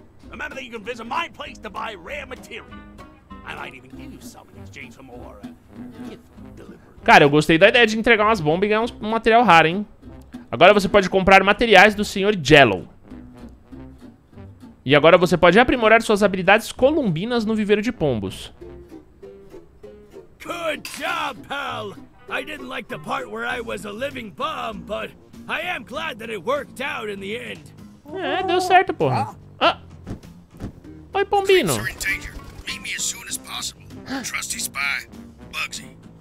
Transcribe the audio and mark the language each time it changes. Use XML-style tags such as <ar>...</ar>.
<en>Remember that you can visit my place to buy rare material. I might even give you some in exchange for more gift delivery.</en> <pt>Cara, eu gostei da ideia de entregar umas bombas e ganhar um material raro, hein? Agora você pode comprar materiais do Sr. Jello. E agora você pode aprimorar suas habilidades columbinas no viveiro de pombos.</pt> <en>Good job, pal! I didn't like the part where I was a living bum, but I am glad that it worked out in the end.</en> <pt>É, deu certo, porra. Oi, pombino.</pt> <en>Meet me as soon as possible. Trusty spy, Bugsy.</en>